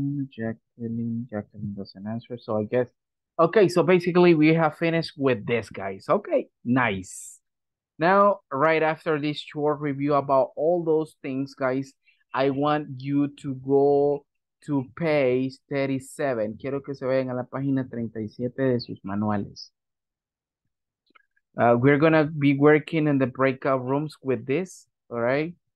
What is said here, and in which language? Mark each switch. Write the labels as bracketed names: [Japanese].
[English] Jacqueline doesn't answer. So I guess. Okay, so basically we have finished with this, guys. Okay, nice. Now, right after this short review about all those things, guys, I want you to go to page 37. [Spanish] Quiero que se vayan a la página 37 de sus manuales. [English] We're going to be working in the breakout rooms with this, all right?